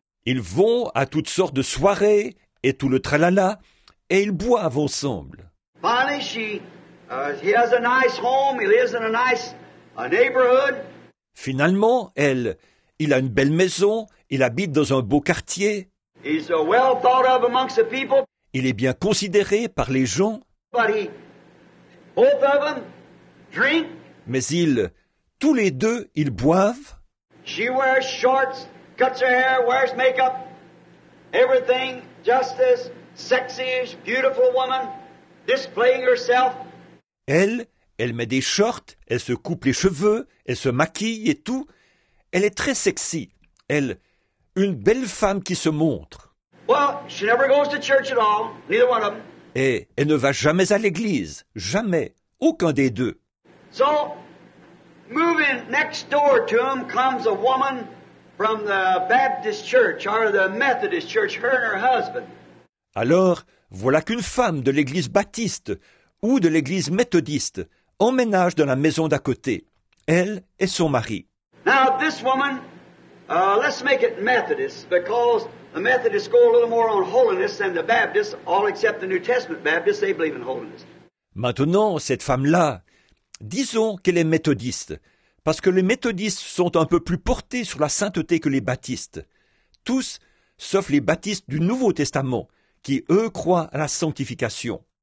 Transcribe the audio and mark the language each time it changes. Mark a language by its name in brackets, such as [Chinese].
[French] Ils vont à toutes sortes de soirées et tout le tralala et ils boivent ensemble. [English] Finally, he has a nice home, he lives in a nice neighborhood. [French] Finalement, elle, il a une belle maison, il habite dans un beau quartier. [English] He's well thought of amongst the people. [French] Il est bien considéré par les gens. [English] But both of them drink. [French] Mais ils, tous les deux, ils boivent. [English] She wears shorts, cuts her hair, wears makeup, everything, just as sexy, beautiful woman, displaying herself. [French] Elle met des shorts, elle se coupe les cheveux, elle se maquille et tout. Elle est très sexy. Elle, une belle femme qui se montre. [English] Well, she never goes to church at all, neither one of them. [French] Et elle ne va jamais à l'église, jamais, aucun des deux. [English] So, moving next door to him comes a woman from the Baptist church, or the Methodist church, her and her husband. [French] Alors, voilà qu'une femme de l'église baptiste ou de l'église méthodiste emménage dans la maison d'à côté, elle et son mari. [English] Now, this woman, let's make it Methodist, because the Methodists go a little more on holiness than the Baptists, all except the New Testament Baptists, they believe in holiness. [French] Maintenant, cette femme-là, disons qu'elle est méthodiste, parce que les méthodistes sont un peu plus portés sur la sainteté que les baptistes. Tous, sauf les baptistes du Nouveau Testament, qui eux croient à la sanctification.